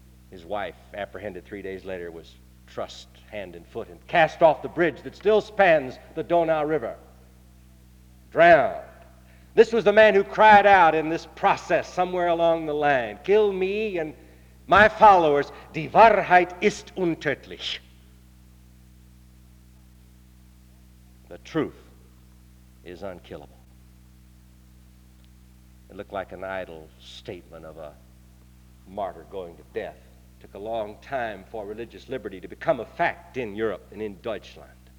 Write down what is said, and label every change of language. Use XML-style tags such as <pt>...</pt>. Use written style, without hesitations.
<en>His wife, apprehended 3 days later, was trussed hand and foot and cast off the bridge that still spans the Donau River. Drowned. This was the man who cried out in this process somewhere along the line, "Kill me and my followers.</en> <de>Die Wahrheit ist untötlich."</de> <en>The truth is unkillable. It looked like an idle statement of a martyr going to death. Took a long time for religious liberty to become a fact in Europe and in Deutschland.</en>